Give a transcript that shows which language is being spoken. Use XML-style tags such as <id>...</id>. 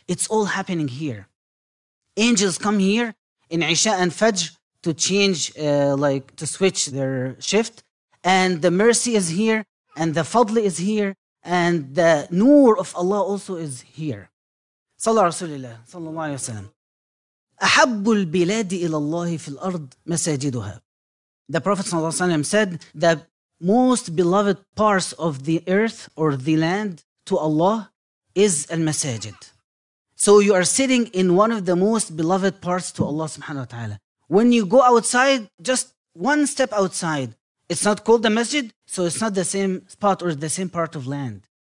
<en>It's all happening here. Angels come here in Isha and Fajr to change, to switch their shift. And the mercy is here, and the fadl is here, and the nur of Allah also is here.</en> <ar>Sallallahu Rasulullah, sallallahu alayhi wa sallam. أحبّ البلاد إلى الله في الأرض مساجدها.</ar> <en>The Prophet sallallahu alayhi wa sallam said, the most beloved parts of the earth or the land to Allah is al-masajid. So you are sitting in one of the most beloved parts to Allah subhanahu wa ta'ala. When you go outside, just one step outside, it's not called the masjid, so it's not the same spot or the same part of land.</en>